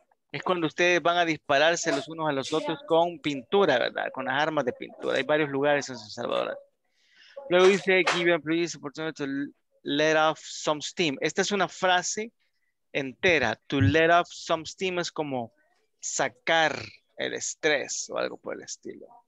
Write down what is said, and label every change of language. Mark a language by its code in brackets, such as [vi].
[es] Es cuando ustedes van a dispararse los unos a los otros con pintura, ¿verdad? Con las armas de pintura. Hay varios lugares en San Salvador. Luego dice, [en] give your employees the opportunity to let off some steam. [es] Esta es una frase entera. [en] To let off some steam [es] es como sacar el estrés o algo por el estilo.